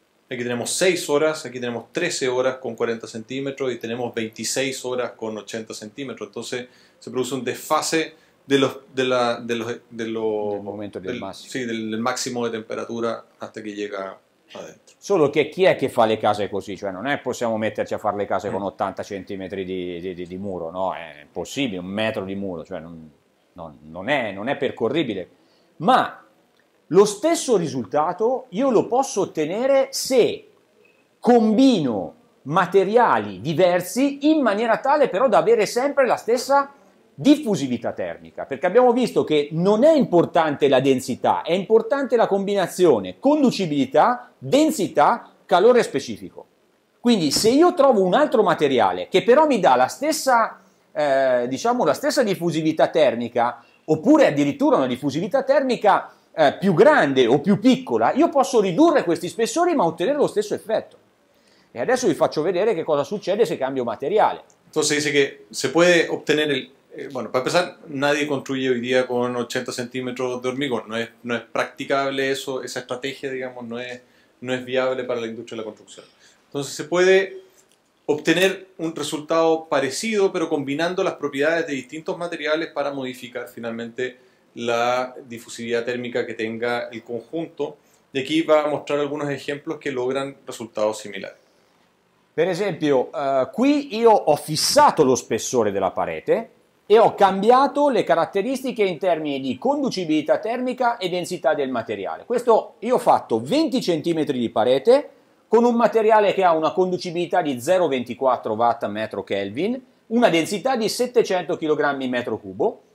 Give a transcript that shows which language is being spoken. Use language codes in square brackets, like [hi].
[es] Aquí tenemos 6 horas, aquí tenemos 13 horas con 40 centímetros y tenemos 26 horas con 80 centímetros. Entonces se produce un desfase [it] Del momento del massimo. [es] del máximo de temperatura hasta que llega adentro. [it] Solo che chi è che fa le case così? Cioè, non è possiamo metterci a fare le case con 80 centimetri di muro, no? È impossibile, 1 metro di muro, cioè non è percorribile. Ma lo stesso risultato io lo posso ottenere se combino materiali diversi in maniera tale però da avere sempre la stessa diffusività termica, perché abbiamo visto che non è importante la densità, è importante la combinazione conducibilità, densità, calore specifico. Quindi, se io trovo un altro materiale che però mi dà la stessa, diciamo, la stessa diffusività termica, oppure addirittura una diffusività termica, più grande o più piccola, io posso ridurre questi spessori ma ottenere lo stesso effetto. E adesso vi faccio vedere che cosa succede se cambio materiale. [es] Entonces dice que se puede obtener bueno, para empezar, nadie construye hoy día con 80 centímetros de hormigón. No es practicable eso, esa estrategia, digamos, no es viable para la industria de la construcción. Entonces se puede obtener un resultado parecido, pero combinando las propiedades de distintos materiales para modificar finalmente la difusividad térmica que tenga el conjunto. Y aquí va a mostrar algunos ejemplos que logran resultados similares. [it] Per esempio, qui io ho fissato lo spessore della parete e ho cambiato le caratteristiche in termini di conducibilità termica e densità del materiale. Questo io ho fatto 20 centimetri di parete con un materiale che ha una conducibilità di 0,24 watt metro Kelvin, una densità di 700 kg metro cubo.